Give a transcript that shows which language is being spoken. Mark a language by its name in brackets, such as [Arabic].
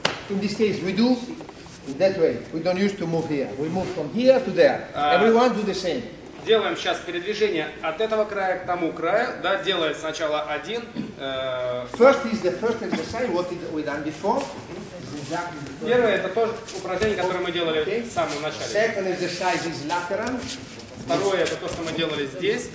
[English] In this case, we do in that way. We don't use to move here. We move from here to there. Everyone do the same. [Russian] Делаем сейчас передвижение от этого края к тому краю, да, делает сначала один. [English] First is the first exercise, what we done before. [Russian] Первое, это то упражнение, которое мы делали в самом начале. [English] Second exercise is lateral. [Russian] Второе, это то, что мы делали здесь.